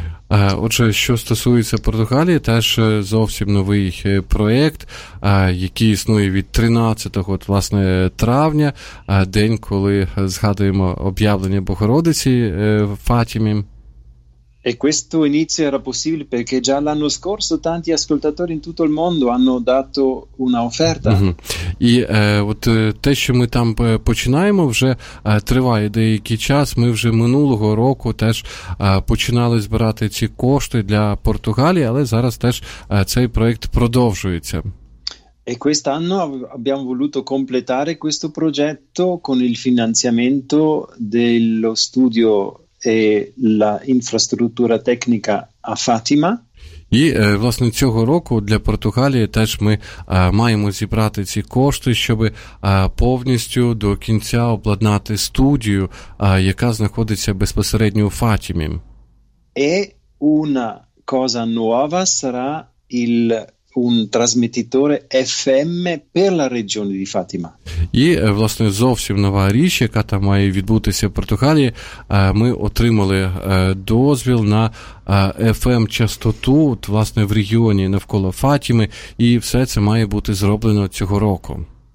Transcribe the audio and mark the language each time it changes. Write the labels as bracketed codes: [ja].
[uk] Отже, що стосується Португалії, теж зовсім новий проєкт, який існує від 13-го, от, власне, травня, день, коли згадуємо об'явлення Богородиці в Фатімі. [it] E questo inizio era possibile perché già l'anno scorso tanti ascoltatori in tutto il mondo hanno dato una offerta. [uk] І от те, що ми там починаємо, вже триває деякий час. Ми вже минулого року теж починали збирати ці кошти для Португалії, але зараз теж цей проєкт продовжується. [it] E quest'anno abbiamo voluto completare questo progetto con il finanziamento dello studio e la infrastruttura tecnica a Fatima. [uk] І, власне, цього року для Португалії теж ми маємо зібрати ці кошти, щоб повністю до кінця обладнати студію, яка знаходиться безпосередньо у Фатімі. [it] E una cosa nuova sarà un trasmettitore FM per la regione di Fatima. [uk] І, власне, зовсім нова річ, яка там має відбутися в Португалії. Ми отримали дозвіл на FM-частоту, власне, в регіоні навколо Фатіми, і все це має бути зроблено цього року.